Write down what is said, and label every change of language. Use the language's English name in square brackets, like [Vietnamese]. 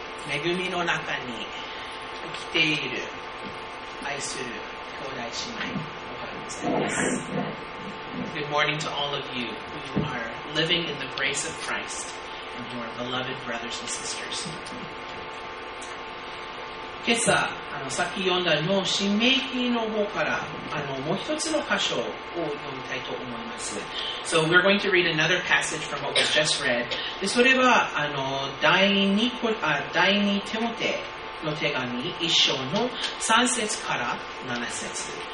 [Japanese] 恵みの中に生きている愛する兄弟姉妹、おはようございます。 [English] Good morning to all of you who are living in the grace of Christ and your beloved brothers and sisters. [Japanese] 今朝、さっき読んだの新明記の方からもう一つの箇所を読みたいと思います。 [English] So we're going to read another passage from what was just read. [Japanese] で、それは第二テモテの手紙一章の三節から七節。